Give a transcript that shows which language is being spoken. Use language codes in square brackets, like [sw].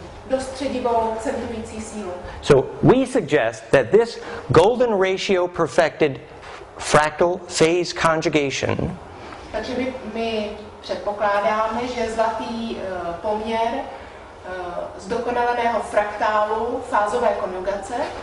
[cs] Dostředivou centrující sílu. [en] So we suggest that this golden ratio perfected fractal phase conjugation. [cs] Takže my předpokládáme, že zlatý poměr zdokonaleného fraktálu fázové konjugace